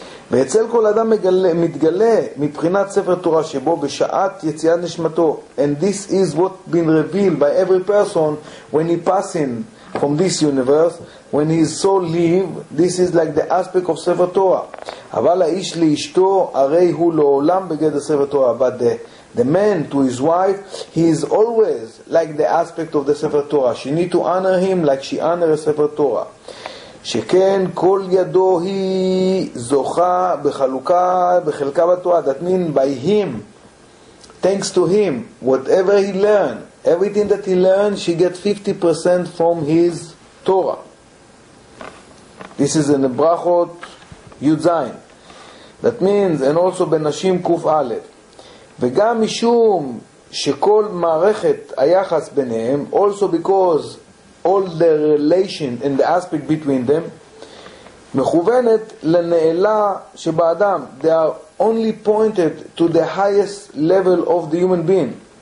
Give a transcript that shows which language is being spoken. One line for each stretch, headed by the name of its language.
Hebrew: ואצל כל אדם מתגלה מבחינת ספר תורה שבו בשעת יציאת נשמתו,
English: and this is what been revealed by every person when he passing from this universe, when his soul leave, this is like the aspect of ספר תורה.
Hebrew: אבל האיש לאשתו הרי הוא לעולם בגדר ספר תורה,
English: but the man to his wife, he is always like the aspect of the ספר תורה. She need to honor him like she honor a ספר תורה.
Hebrew: שכן כל ידו היא זוכה בחלוקה, בחלקה בתורה.
English: That means by him, thanks to him, whatever he learned, everything that he learned, she gets 50% from his Torah. This is in the Brachot Yud Zayin. That means, and also
Hebrew: בנשים קוף א', וגם משום שכל מערכת היחס ביניהם,
English: also because all the relation and the aspect between them
Hebrew: מכוונת לנעלה שבאדם,
English: they are only pointed to the highest level of the human being.